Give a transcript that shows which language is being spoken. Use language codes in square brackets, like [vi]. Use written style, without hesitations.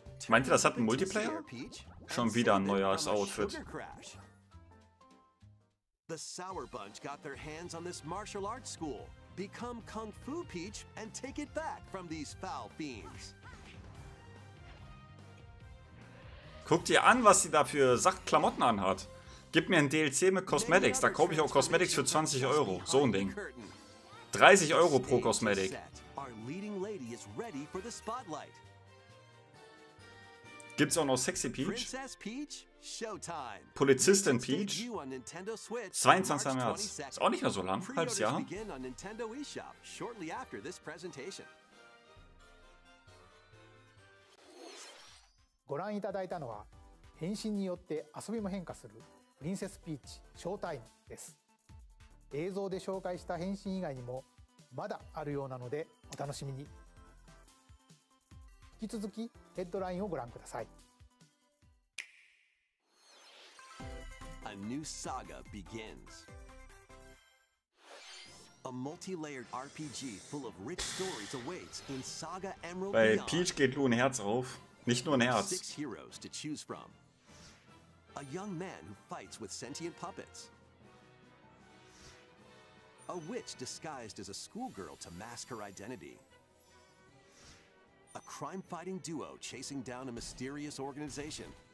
[de] Meint ihr, das hat einen Multiplayer? Schon wieder ein neues Outfit. [en] The Sour Bunch got their hands on this martial arts school. Become Kung Fu Peach and take it back from these foul fiends. [de] Guckt ihr an, was sie da für Sackklamotten anhat. Gib mir ein DLC mit Cosmetics, da kaufe ich auch Cosmetics für 20 Euro. So ein Ding. 30 Euro pro Cosmetic. [en] Leading lady is ready for the spotlight. [de] Gibt's auch noch Sexy Peach? [en] Princess Peach, showtime. [de] Polizistin Peach. 22. März. Ist auch nicht mehr so lang, halbes Jahr. [en] Begin on Nintendo eShop shortly after this presentation. [ja] ご覧いただいたのは変身によって遊びも変化するプリンセスピーチショータイムです。映像で紹介した変身以外にもまだあるようなのでお楽しみに。引き続きヘッドラインをご覧ください。 [en] A new saga begins. A multi-layered RPG full of rich stories awaits in Saga Emerald. [de] Bei Peach geht nur ein Herz auf, nicht nur ein Herz. [en] Six heroes to choose from. A young man who fights with sentient puppets. A witch disguised as a schoolgirl to mask her identity. A crime-fighting duo chasing down a mysterious organization.